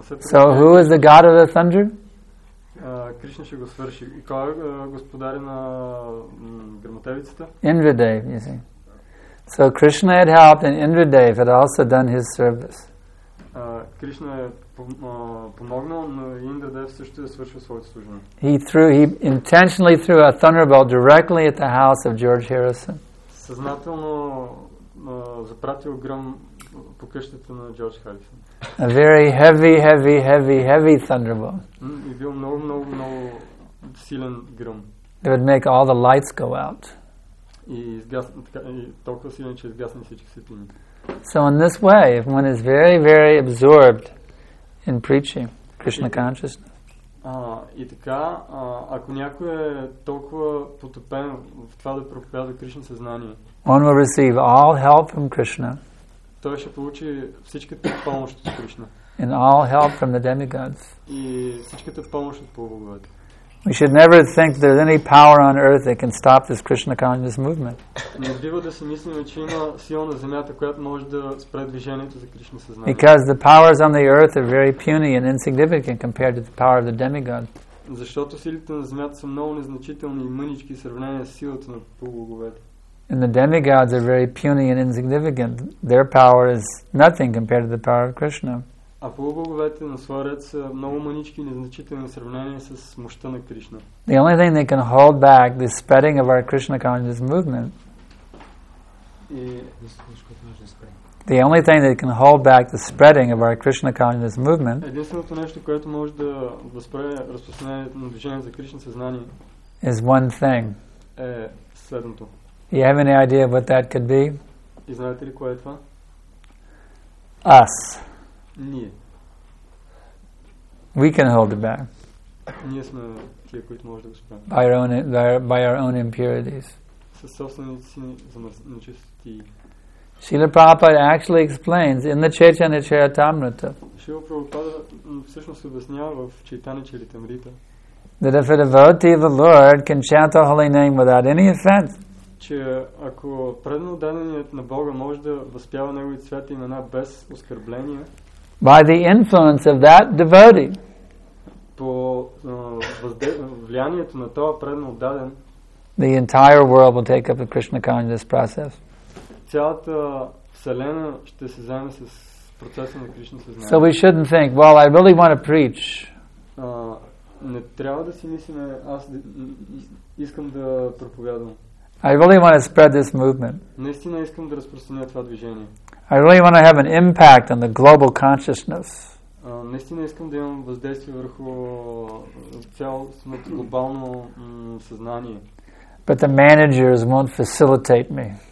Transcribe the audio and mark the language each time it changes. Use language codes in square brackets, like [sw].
[en] So who is the god of the thunder? [bg] Krishna ще го свърши. И кой е господар на гръмотевицата? [en] Indradev, you see. So Krishna had helped and Indradev had also done his service. [bg] Krishna е помогнал, но Indradev също е свършил своето служение. [en] He intentionally threw a thunderbolt directly at the house of George Harrison. [bg] Съзнателно запратил гръм по къщата на Джордж Харисън. [en] A very heavy, heavy, heavy, heavy thunderbolt. It will no, no, no, [bg] силен гръм. [en] It would make all the lights go out. [bg] И изгасна, така, и толкова силен, че изгасна всички светлини. [en] So in this way, if one is very, very absorbed in preaching Krishna consciousness. [bg] И така, ако някой е толкова потопен в това да проповядва Кришна съзнание. [en] One will receive all help from Krishna. [bg] Той ще получи всичката помощ от Кришна. [en] And all help from the demigods. [bg] И всичката помощ от полубоговете. [en] We should never think there's any power on earth that can stop this Krishna consciousness movement. [bg] Не бива да си мислим, че има сила на земята, която може да спре движението за Кришна съзнание. [en] Because the powers on the earth are very puny and insignificant compared to the power of the demigod. [bg] Защото силите на земята са много незначителни и мънички в сравнение с силата на полубоговете. [en] And the demigods are very puny and insignificant. Their power is nothing compared to the power of Krishna. [bg] А полубоговете на своя ред са много мънички и незначителни в сравнение с мощта на Кришна. [en] The only thing that can hold back the spreading of our Krishna consciousness movement. The only thing that can hold back the spreading of our Krishna consciousness movement. [bg] Единственото нещо, което може да възпре разпространението на движението за Кришна съзнание. [en] Is one thing. [bg] Е следното. [en] Do you have any idea what that could be? [bg] И знаете ли кое е това? [en] Us. [bg] Ние. [en] We can hold it back. [bg] Ние сме тия, които може да го спрем. [en] By our own impurities. [bg] Със собствените си замърсности. [en] Srila Prabhupada actually explains in the Chaitanya Charitamrita. [bg] Srila Prabhupada всъщност обяснява в Chaitanya Charitamrita. [en] That if a devotee of the Lord can chant the holy name without any offense. [bg] Че ако предназначеният на Бога може да възпява неговите святи имена без оскърбления, [en] by the influence of that devotee, [bg] по влиянието на този предназначен, [en] the entire world will take up the Krishna consciousness process. [bg] Цялата вселена ще се заеме с процеса на Кришна съзнание. [en] So we shouldn't think, well, I really want to preach. [bg] Не трябва да си мислим, аз искам да проповядвам. [en] I really want to spread this movement. [bg] Наистина искам да разпространя това движение. [en] I really want to have an impact on the global consciousness. [bg] Наистина искам да имам въздействие върху цялостното глобално съзнание. [en] But the managers won't facilitate me.